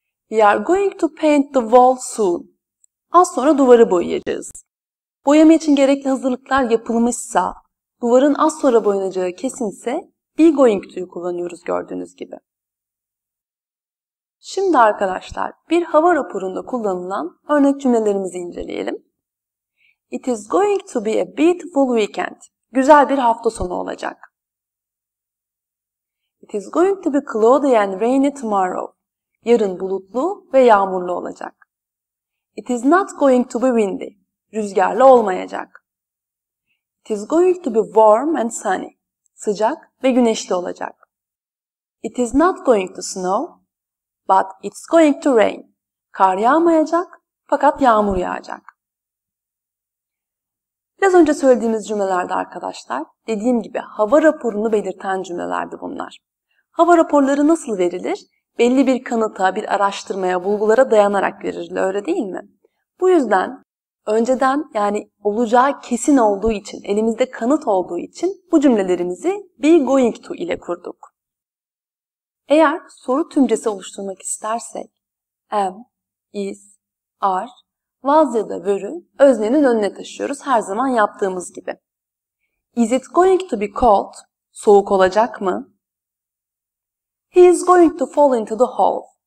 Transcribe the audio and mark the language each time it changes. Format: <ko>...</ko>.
<en>We are going to paint the wall soon.</en> <tr>Az sonra duvarı boyayacağız. Boyama için gerekli hazırlıklar yapılmışsa, duvarın az sonra boyanacağı kesinse be going to'yu kullanıyoruz gördüğünüz gibi. Şimdi arkadaşlar bir hava raporunda kullanılan örnek cümlelerimizi inceleyelim.</tr> <en>It is going to be a beautiful weekend.</en> <tr>Güzel bir hafta sonu olacak.</tr> <en>It is going to be cloudy and rainy tomorrow.</en> <tr>Yarın bulutlu ve yağmurlu olacak.</tr> <en>It is not going to be windy.</en> <tr>Rüzgarlı olmayacak.</tr> <en>It is going to be warm and sunny.</en> <tr>Sıcak ve güneşli olacak.</tr> <en>It is not going to snow, but it's going to rain.</en> <tr>Kar yağmayacak, fakat yağmur yağacak. Biraz önce söylediğimiz cümlelerde arkadaşlar, dediğim gibi hava raporunu belirten cümlelerdi bunlar. Hava raporları nasıl verilir? Belli bir kanıta, bir araştırmaya, bulgulara dayanarak verilir, öyle değil mi? Bu yüzden önceden, yani olacağı kesin olduğu için, elimizde kanıt olduğu için bu cümlelerimizi be going to ile kurduk. Eğer soru tümcesi oluşturmak istersek, am, is, are, was ya da were'ü öznenin önüne taşıyoruz her zaman yaptığımız gibi.</tr> <en>Is it going to be cold?</en> <tr>Soğuk olacak mı?</tr> <en>He is going to fall into the hole.</en>